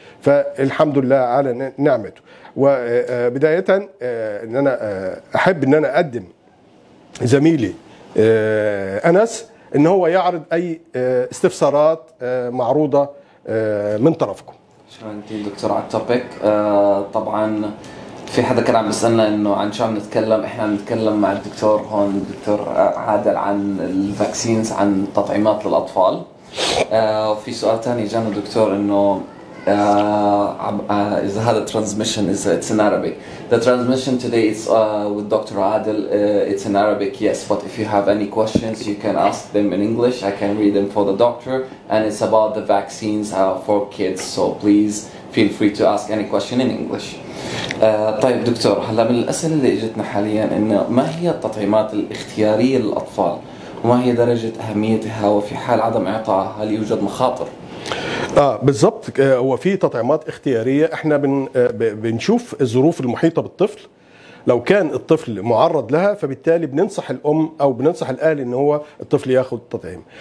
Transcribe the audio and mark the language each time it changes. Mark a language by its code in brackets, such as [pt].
[ar] فالحمد لله على نعمته. وبداية إن أنا أحب إن أنا أقدم زميلي أنس إن هو يعرض أي استفسارات معروضة من طرفكم. شكرا جزيلا دكتور على التوبيك. طبعا في حدا كان عم بيسألنا إنه عن شو عم نتكلم. إحنا نتكلم مع الدكتور هون الدكتور عادل عن الفاكسينز، عن تطعيمات للأطفال. في سؤال تاني جانا دكتور إنه [en] is had a transmission, is it's in Arabic. The transmission today is with Dr. Adel, it's in Arabic, yes, but if you have any questions you can ask them in English. I can read them for the doctor, and it's about the vaccines for kids, so please feel free to ask any question in English. [ar] طيب دكتور، هلا من الأسئلة اللي اجتنا حاليا انه ما هي التطعيمات الاختيارية للأطفال وما هي درجة أهميتها، وفي حال عدم إعطائها هل يوجد مخاطر؟ بالضبط. هو في تطعيمات اختيارية، احنا بنشوف الظروف المحيطة بالطفل، لو كان الطفل معرض لها فبالتالي بننصح الام او بننصح الاهل ان هو الطفل ياخد التطعيم.